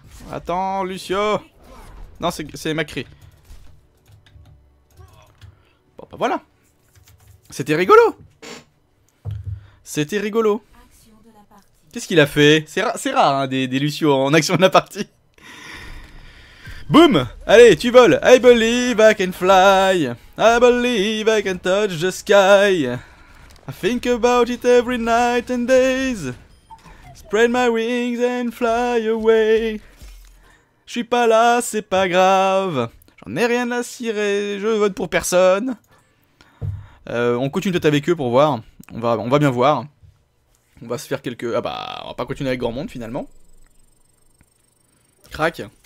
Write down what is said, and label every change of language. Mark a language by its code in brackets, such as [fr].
[fr] Attends Lucio. Non c'est Macri. Bon bah voilà. C'était rigolo. C'était rigolo. Qu'est-ce qu'il a fait? C'est rare hein, des Lucio en action de la partie. [en] Boum! [fr] Allez, tu voles. [en] I believe I can fly. I believe I can touch the sky. I think about it every night and days. Spread my wings and fly away. [fr] Je suis pas là, c'est pas grave. J'en ai rien à cirer, je vote pour personne. On continue peut-être avec eux pour voir. On va bien voir. On va se faire quelques... Ah bah, on va pas continuer avec grand monde, finalement. Crac.